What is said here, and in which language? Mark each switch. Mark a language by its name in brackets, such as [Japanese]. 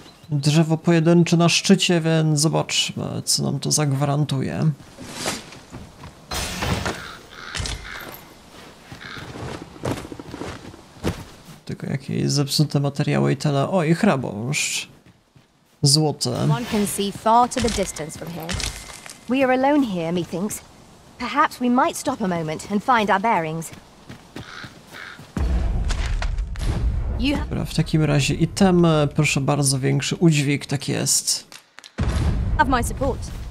[Polish] Drzewo pojedyncze na szczycie, więc zobaczmy, co nam to zagwarantuje. Tylko jakieś zepsute materiały i tyle. Oj, chrabąszcz. Złote. [English] One can see far to the distance from here. We are alone here, methinks. Perhaps we might stop a moment and find our bearings. [Polish] Dobra, w takim razie item, proszę bardzo, większy udźwig, tak jest. [English] Have my support.